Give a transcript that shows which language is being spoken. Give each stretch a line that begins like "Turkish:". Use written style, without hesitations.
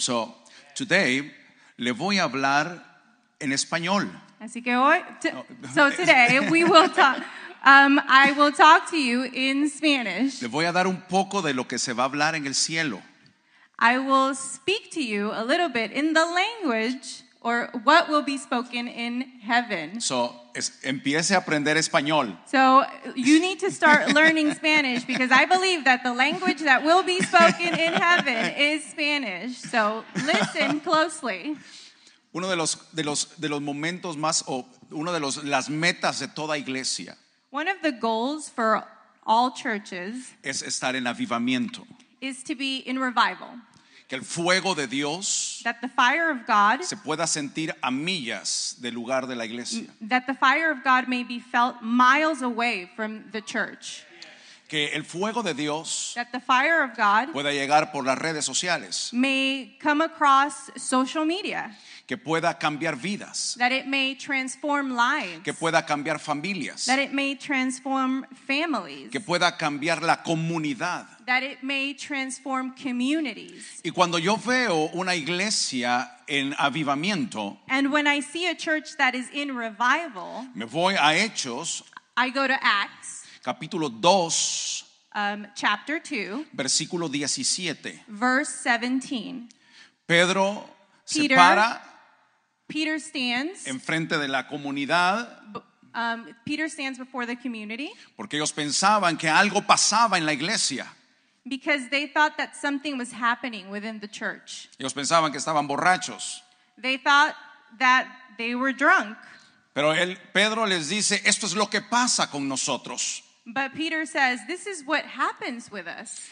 English: So today,
Spanish: le voy a hablar en español. Así que hoy,
English: so today, we will talk. I will talk to you in Spanish.
Spanish: Le voy a dar un poco de lo que se va a hablar en el cielo.
English: I will speak to you a little bit in the language or what will be spoken in heaven.
Spanish: So, empiece a aprender español.
English: So, you need to start learning Spanish because I believe that the language that will be spoken in heaven is Spanish. So, listen closely.
Spanish: Uno de los momentos más o uno de los las metas de toda iglesia.
English: One of the goals for all churches
Spanish: es estar en avivamiento.
English: Is to be in revival.
Spanish: Que el fuego de Dios,
English: that the fire of God,
Spanish: se pueda sentir a millas del lugar de la iglesia.
English: That the fire of God may be felt miles away from the church.
Spanish: que el fuego de Dios
English: that the fire of God
Spanish: pueda llegar por las redes sociales,
English: may come across social media,
Spanish: que pueda cambiar vidas,
English: that it may transform lives,
Spanish: que pueda cambiar familias,
English: that it may transform families,
Spanish: que pueda cambiar la comunidad,
English: that it may transform communities.
Spanish: Y cuando yo veo una iglesia en avivamiento,
English: and when I see a church that is in revival,
Spanish: me voy a Hechos,
English: I go to Acts,
Spanish: capítulo 2,
English: chapter 2,
Spanish: versículo 17,
English: verse 17.
Spanish: Pedro Peter, se para,
English: Peter stands
Spanish: en frente de la comunidad,
English: Peter stands before the community,
Spanish: porque ellos pensaban que algo pasaba en la iglesia,
English: because they thought that something was happening within the church.
Spanish: Ellos pensaban que estaban borrachos.
English: They thought that they were drunk.
Spanish: Pero el Pedro les dice, esto es lo que pasa con nosotros.
English: But Peter says, this is what happens with us.